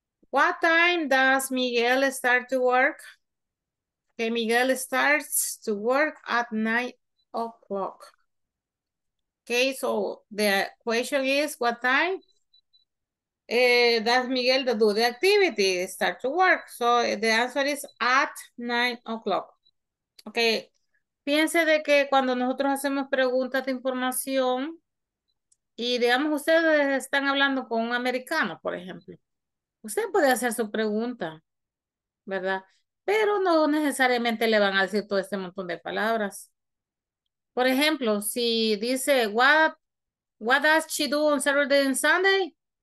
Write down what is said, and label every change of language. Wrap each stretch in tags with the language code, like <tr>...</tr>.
<en>What time does Miguel start to work? Okay, Miguel starts to work at 9 o'clock. Okay, so the question is, what time does Miguel do the activity, start to work? So the answer is at 9 o'clock.</en> <es>Okay, piense de que cuando nosotros hacemos preguntas de información y digamos ustedes están hablando con un americano, por ejemplo. Usted puede hacer su pregunta, ¿verdad? Pero no necesariamente le van a decir todo este montón de palabras. Por ejemplo, si dice,</es> <en>what does she do on Saturday and Sunday?</en>